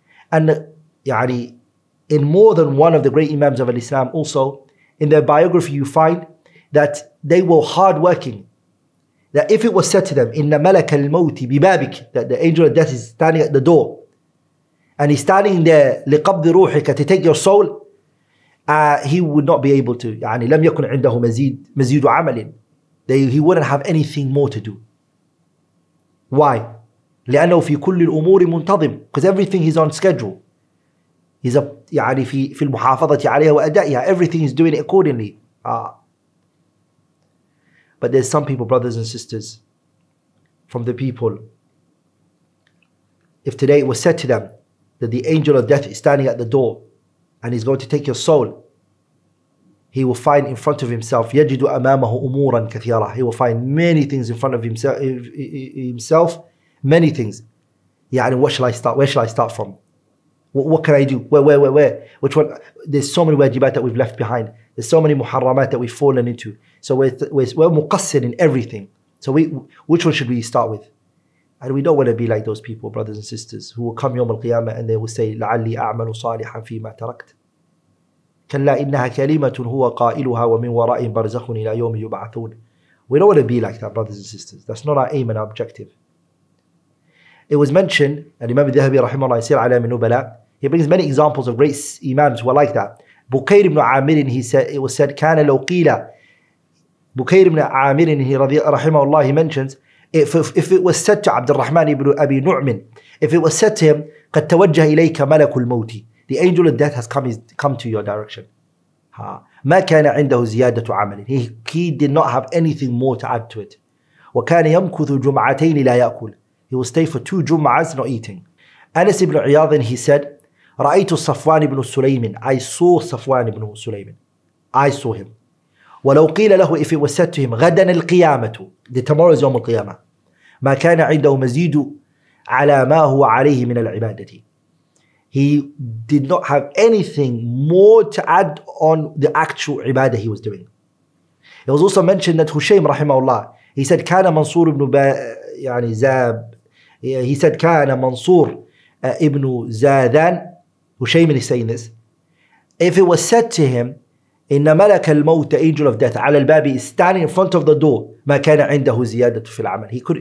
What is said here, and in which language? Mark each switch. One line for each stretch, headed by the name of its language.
English: And يعني, in more than one of the great Imams of Al-Islam also, in their biography you find that they were hardworking. That if it was said to them,
Arabic: إِنَّ مَلَكَ الْمَوْتِ بِبَابِكِ,
English: that the angel of death is standing at the door. And he's standing there,
Arabic: لِقَبْضِ رُوحِكَ,
English: to take your soul. He would not be able to.
Arabic: يعني, لم يكن عنده مزيد عمل.
English: He wouldn't have anything more to do. Why?
Arabic: لأنه في كل الأمور منتظم.
English: Because everything is on schedule.
Arabic: He's a يعني في المحافظة عليها وأدائها.
English: Everything is doing it accordingly. But there's some people, brothers and sisters, from the people. If today it was said to them that the angel of death is standing at the door and he's going to take your soul, he will find in front of himself,
Arabic: يجد أمامه أمورا كثيرة.
English: He will find many things in front of himself, many things. يعني, what shall I start? Where shall I start from? What can I do? Where? Which one? There's so many wajibat that we've left behind. There's so many muharramat that we've fallen into. So we're muqassir in everything. So which one should we start with? And we don't want to be like those people, brothers and sisters, who will come يوم القيامة and they will say,
Arabic: لعلي أعمل صالحا فيما تركت. كلا إنها كلمة هو قائلها ومن وراء برزخ إلى يوم يبعثون.
English: We don't want to be like that, brothers and sisters. That's not our aim and our objective. It was mentioned, and Imam al-Dhahabi
Arabic: رحمه الله يسير على من نبلاء,
English: he brings many examples of great imams who were like that. Bukayr ibn Amir, it was said,
Arabic: كان لو قيل,
English: Bukayr ibn Amir رحمه الله, he mentions, if it was said to عبد الرحمن ibn Abi Nu'min, if it was said to him,
Arabic: قد توجه إليك ملك الموت,
English: the angel of death has come to your direction.
Arabic: ما كان عنده زيادة عمل.
English: He did not have anything more to add to it.
Arabic: وكان يمكث جمعتين لا يأكل.
English: He will stay for two jum'as not eating. Anas ibn Iyad, he said, رأيت صفوان ibn سليم. I saw صفوان ibn سليم. I saw him.
Arabic: ولو قيل له,
English: if it was said to him,
Arabic: غدا القيامة,
English: the tomorrow is
Arabic: يوم القيامة, ما كان عنده مزيد على ما هو عليه من العبادة.
English: He did not have anything more to add on the actual ibadah he was doing. It was also mentioned that Hushaym rahimahullah, he said,
Arabic: كان منصور ابن يعني زاب,
English: he said,
Arabic: كان منصور ابن زادان,
English: Hushaym is saying this, if it was said to him,
Arabic: إن ملك الموت,
English: the angel of death,
Arabic: على الباب,
English: is standing in front of the door,
Arabic: ما كان عنده زيادة في العمل.